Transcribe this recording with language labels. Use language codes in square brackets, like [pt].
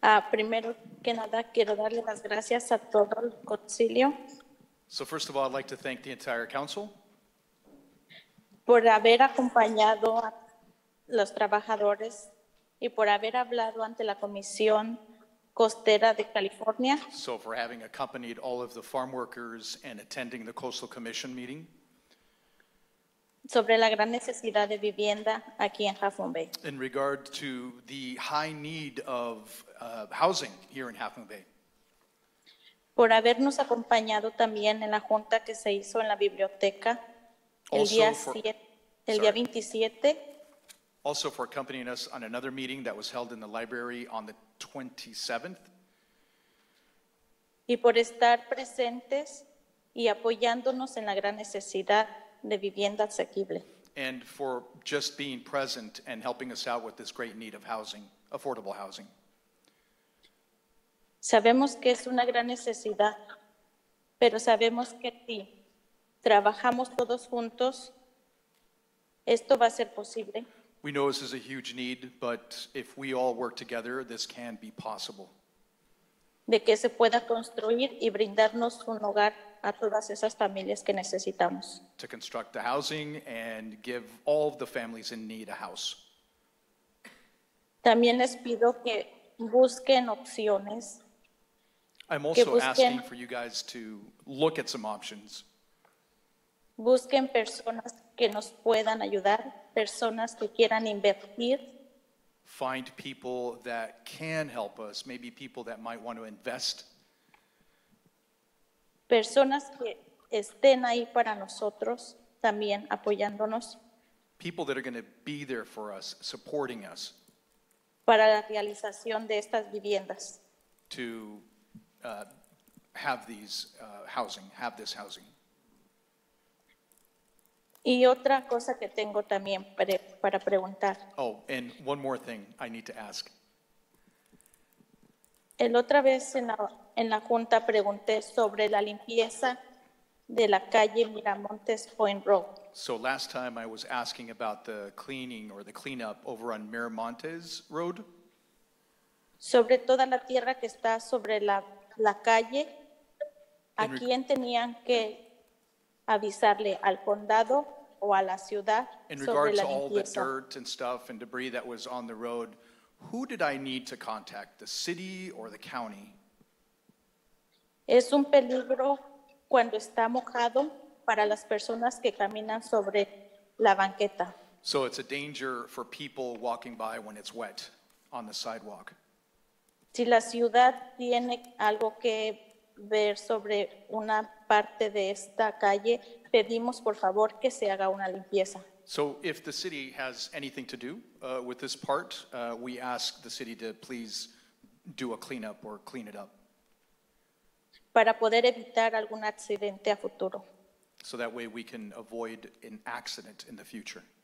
[es] Primero que nada, quiero darle las gracias a todo el concilio. [en] So first of all, I'd like to thank the entire council. [es] Por haber acompañado a los trabajadores y por haber hablado ante la Comisión Costera de California. [en] So for having accompanied all of the farm workers and attending the Coastal Commission meeting. [es] Sobre la gran necesidad de vivienda aquí en Half Moon Bay. [en] In regard to the high need of housing here in Half Moon Bay. [es] Por habernos acompañado también en la junta que se hizo en la biblioteca el día 27. [en] Also for accompanying us on another meeting that was held in the library on the 27th. [es] Y por estar presentes y apoyándonos en la gran necesidad de vivienda asequible. [en] And for just being present and helping us out with this great need of housing, affordable housing. [es] Sabemos que es una gran necesidad, pero sabemos que si trabajamos todos juntos, esto va a ser posible. [en] We know this is a huge need, but if we all work together, this can be possible. [es] De que se pueda construir y brindarnos un hogar a todas esas familias que necesitamos. [en] To construct the housing and give all the families in need a house. [es] También les pido que busquen opciones. [en] I'm also asking for you guys to look at some options. [es] Busquen personas que nos puedan ayudar, personas que quieran invertir. [en] Find people that can help us, maybe people that might want to invest. [es] Personas que estén ahí para nosotros, también apoyándonos. [en] People that are going to be there for us, supporting us. [es] Para la realización de estas viviendas. [en] To have these housing, have this housing. [es] Y otra cosa que tengo también para preguntar. [en] Oh, and one more thing I need to ask. [es] El otra vez en la junta pregunté sobre la limpieza de la calle Miramontes Point Road. [en] So last time I was asking about the cleaning or the cleanup over on Miramontes Road. [es] Sobre toda la tierra que está sobre la calle, ¿a quién tenían que avisarle, al condado o a la ciudad sobre la limpieza? [en] In regards to all the dirt and stuff and debris that was on the road, who did I need to contact, the city or the county? [es] Es un peligro cuando está mojado para las personas que caminan sobre la banqueta. [en] So it's a danger for people walking by when it's wet on the sidewalk. [es] Si la ciudad tiene algo que ver sobre una parte de esta calle, pedimos por favor que se haga una limpieza. [en] So if the city has anything to do with this part, we ask the city to please do a cleanup or clean it up. [es] Para poder evitar algún accidente a futuro. [en] So that way we can avoid an accident in the future.